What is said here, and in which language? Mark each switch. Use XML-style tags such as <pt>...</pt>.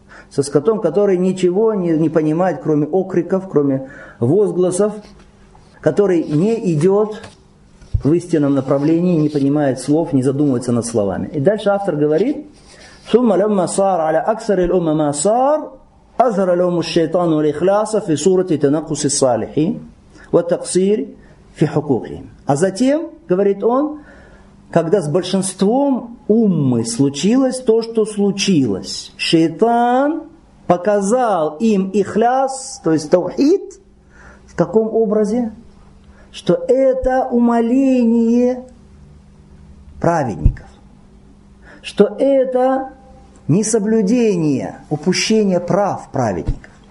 <ru>Со скотом, который ничего не понимает, кроме окриков, кроме возгласов, который не идет в истинном направлении, не понимает слов, не задумывается над словами. И дальше автор говорит:</ru> <ar>«Сумма лямма сар аля аксари лумма ма сар». أظهر لهم الشيطان والإخلاص في صورة تنقص الصالحين والتقصير في حقوقهم.</ar> <ru>А затем, говорит он, когда с большинством уммы случилось то, что случилось, шайтан показал им ихляс, то есть таухид, в таком образе, что это умаление праведников, что это несоблюдение, упущение прав праведников.</ru>